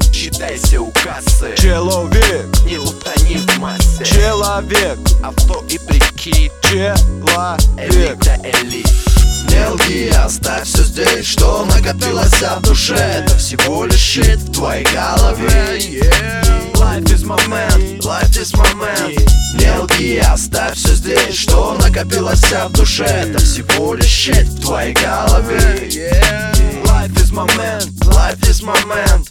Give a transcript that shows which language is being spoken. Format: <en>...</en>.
<ru>считайся у кассы. Человек, не лутани в массе. Человек, авто и прикид. Человек, элита элит. Мелки, оставь все здесь, что накопилось в душе. Это всего лишь щит в твоей голове.</ru> <en>Life is moment, life is moment.</en> <ru>Мелки, оставь все здесь, что накопилось в душе. Это всего лишь щит в твоей голове.</ru> <en>Life is moment, life is moment.</en>